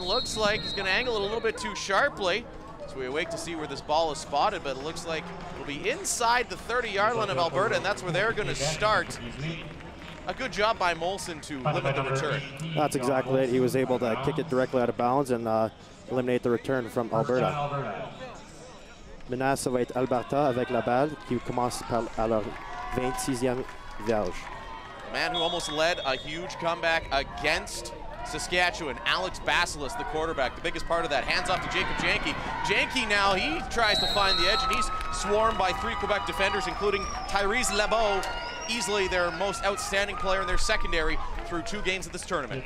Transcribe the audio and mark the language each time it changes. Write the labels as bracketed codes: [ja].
[en] Looks like he's gonna angle it a little bit too sharply. So we wait to see where this ball is spotted, but it looks like it'll be inside the 30-yard line of Alberta, and that's where they're gonna start. A good job by Molson to limit the return. That's exactly it. He was able to kick it directly out of bounds and eliminate the return from Alberta. [fr] Maintenant, ça va être Alberta avec la balle qui commence par leur 26e verge. [en] The man who almost led a huge comeback against Saskatchewan, Alex Basilis, the quarterback, the biggest part of that. Hands off to Jacob Janke. Janke now, he tries to find the edge, and he's swarmed by three Quebec defenders, including Tyrese Lebeau, easily their most outstanding player in their secondary through two games of this tournament.